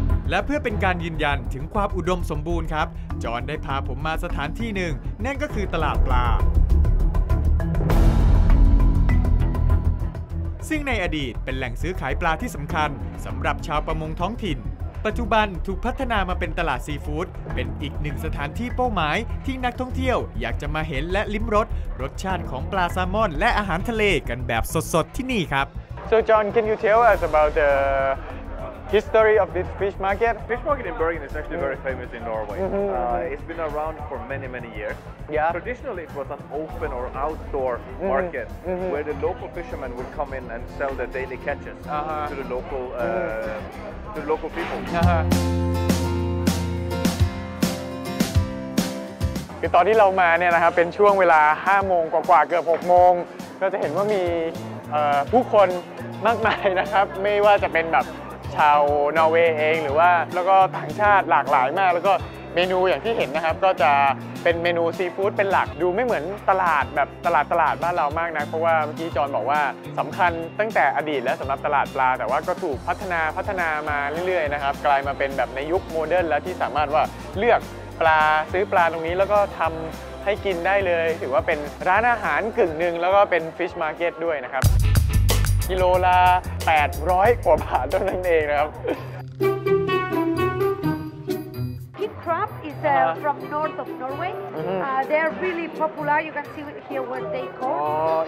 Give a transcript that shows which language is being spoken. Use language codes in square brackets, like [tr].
[th] และเพื่อเป็นการยืนยันถึงความอุดมสมบูรณ์ครับจอนได้พาผมมาสถานที่หนึ่งนั่นก็คือตลาดปลาซึ่งในอดีตเป็นแหล่งซื้อขายปลาที่สำคัญสำหรับชาวประมงท้องถิ่นปัจจุบันถูกพัฒนามาเป็นตลาดซีฟู้ดเป็นอีกหนึ่งสถานที่เป้าหมายที่นักท่องเที่ยวอยากจะมาเห็นและลิ้มรสรสชาติของปลาแซลมอนและอาหารทะเลกันแบบสดๆที่นี่ครับ [en] So John can you tell us about the history of this fish market? Fish market in Bergen is actually very famous in Norway. It's been around for many, many years. Yeah. Traditionally, it was an open or outdoor market where the local fishermen would come in and sell their daily catches to the local to the local people. [th] คือตอนที่เรามาเนี่ยนะครับเป็นช่วงเวลา5โมงกว่าเกือบ6โมงก็จะเห็นว่ามีผู้คนมากมายนะครับไม่ว่าจะเป็นแบบชาวนอร์เวย์เองหรือว่าแล้วก็ต่างชาติหลากหลายมากแล้วก็เมนูอย่างที่เห็นนะครับก็จะเป็นเมนูซีฟู้ดเป็นหลักดูไม่เหมือนตลาดแบบตลาดบ้านเรามากนะเพราะว่าเมื่อกี้จอนบอกว่าสำคัญตั้งแต่อดีตแล้วสำหรับตลาดปลาแต่ว่าก็ถูกพัฒ นามาเรื่อยๆนะครับกลายมาเป็นแบบในยุคโมเดิร์นแล้วที่สามารถว่าเลือกปลาซื้อปลาตรงนี้แล้วก็ทำให้กินได้เลยถือว่าเป็นร้านอาหารกึ่งหนึ่งแล้วก็เป็นฟิชมาร์เก็ตด้วยนะครับกิโลละ800กว่าบาทเท่านั้นเองนะครับ [en] Kid Crab is from north of Norway they're really popular you can see here what they call